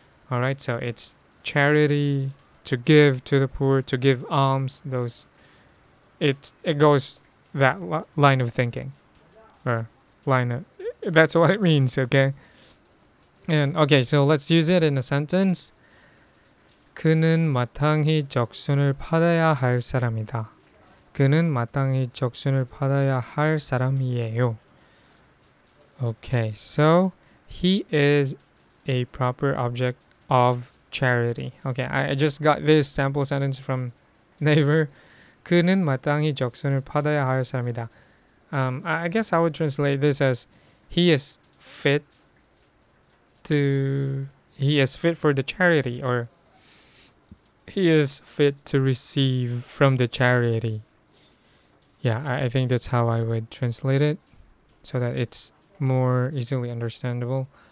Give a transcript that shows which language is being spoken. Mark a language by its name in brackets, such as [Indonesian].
[English] All right, so it's charity, to give to the poor, to give alms, those, it goes that line of thinking, or line of, that's what it means, okay? And okay, so let's use it in a sentence. [Korean] 그는 마땅히 적선을 받아야 할 사람이다. 그는 마땅히 적선을 받아야 할 사람이에요. [English] Okay, so he is a proper object of charity. Okay, I just got this sample sentence from Naver. [Korean] 그는 마땅히 적선을 받아야 할 사람이다. [English] I guess I would translate this as he is fit for the charity, or he is fit to receive from the charity. Yeah, I think that's how I would translate it, so that it's more easily understandable.